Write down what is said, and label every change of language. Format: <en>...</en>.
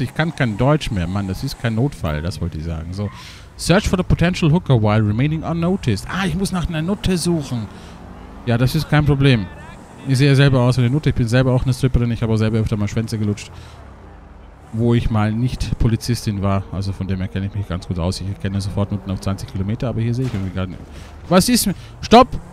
<de>Ich kann kein Deutsch mehr, Mann. Das ist kein Notfall, das wollte ich sagen.</de> <en>So, search for the potential hooker while remaining unnoticed.</en> <de>Ah, ich muss nach einer Nutte suchen. Ja, das ist kein Problem. Ich sehe ja selber aus wie eine Nutte. Ich bin selber auch eine Stripperin. Ich habe auch selber öfter mal Schwänze gelutscht, wo ich mal nicht Polizistin war. Also von dem her kenne ich mich ganz gut aus. Ich erkenne sofort Nutten auf 20 Kilometer, aber hier sehe ich irgendwie gar nicht. Was ist... Stopp!</de>